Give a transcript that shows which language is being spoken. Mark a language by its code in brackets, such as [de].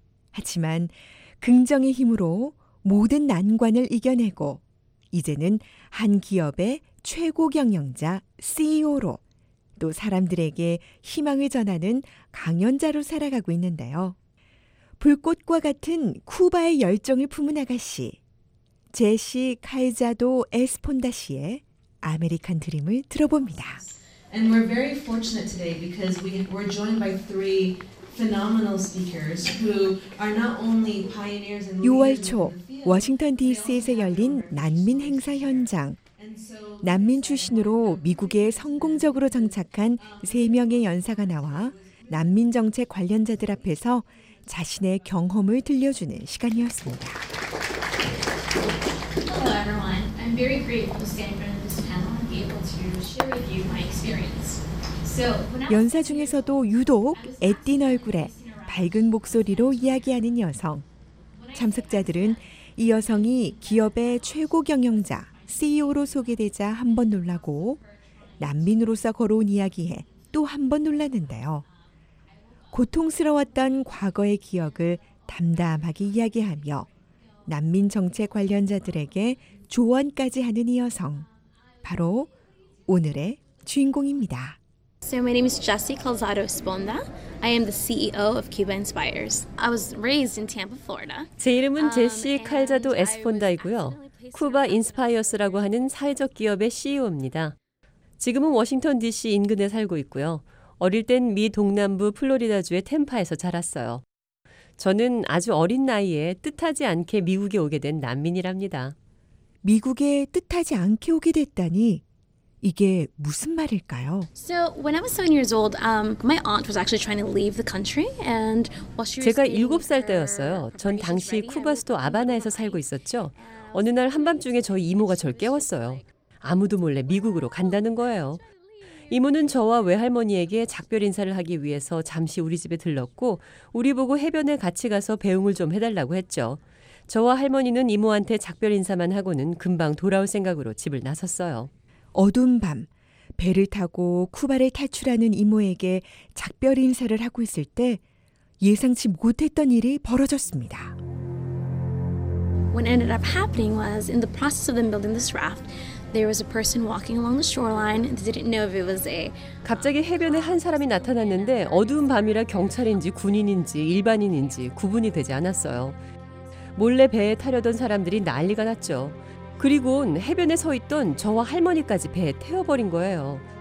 [ko] 하지만 긍정의 힘으로 모든 난관을 이겨내고 이제는 한 기업의 최고 경영자 CEO로 또 사람들에게 희망을 전하는 강연자로 살아가고 있는데요. 불꽃과 같은 쿠바의 열정을 품은 아가씨 제시 칼자도 에스폰다 씨의 아메리칸 드림을 들어봅니다. [en] And we're very fortunate today because we're joined by three phenomenal speakers who are not only pioneers in the [ko] 6월 초 워싱턴 DC에서 열린 난민 행사 현장. 난민 출신으로 미국에 성공적으로 정착한 세 명의 연사가 나와 난민 정책 관련자들 앞에서 자신의 경험을 들려주는 시간이었습니다. [en] Hello everyone. I'm very grateful to stand in front of this panel and be able to share with you my experience. [ko] So, 연사 중에서도 유독 애띤 얼굴에 밝은 목소리로 이야기하는 여성. 참석자들은 이 여성이 기업의 최고 경영자 CEO로 소개되자 한번 놀라고 난민으로서 걸어온 이야기에 또 한번 놀랐는데요. 고통스러웠던 과거의 기억을 담담하게 이야기하며 난민 정책 관련자들에게 조언까지 하는 이 여성, 바로 오늘의 주인공입니다. [en] So my name is Jessie Calzado Esponda. I am the CEO of Cuba Inspires. I was raised in Tampa, Florida. [ko] 제 이름은 제시 칼자도 에스폰다이고요. 쿠바 인스파이어스라고 하는 사회적 기업의 CEO입니다. 지금은 워싱턴 DC 인근에 살고 있고요. 어릴 땐 미 동남부 플로리다주의 템파에서 자랐어요. 저는 아주 어린 나이에 뜻하지 않게 미국에 오게 된 난민이랍니다. 미국에 뜻하지 않게 오게 됐다니 이게 무슨 말일까요? [en] So when I was 7 years old, my aunt was actually trying to leave the country and while she was [ko] 제가 7살 때였어요. 전 당시 쿠바 수도 아바나에서 살고 있었죠. 어느 날 한밤중에 저희 이모가 저를 깨웠어요. 아무도 몰래 미국으로 간다는 거예요. 이모는 저와 외할머니에게 작별 인사를 하기 위해서 잠시 우리 집에 들렀고 우리 보고 해변에 같이 가서 배웅을 좀 해달라고 했죠. 저와 할머니는 이모한테 작별 인사만 하고는 금방 돌아올 생각으로 집을 나섰어요. 어두운 밤, 배를 타고 쿠바를 탈출하는 이모에게 작별 인사를 하고 있을 때 예상치 못했던 일이 벌어졌습니다. [en] What ended up happening was in the process of them building this raft, there was a person walking along the shoreline. They didn't know if it was a [ko] 갑자기 해변에 한 사람이 나타났는데 어두운 밤이라 경찰인지 군인인지 일반인인지 구분이 되지 않았어요. 몰래 배에 타려던 사람들이 난리가 났죠. 그리고 해변에 서 있던 저와 할머니까지 배에 태워버린 거예요.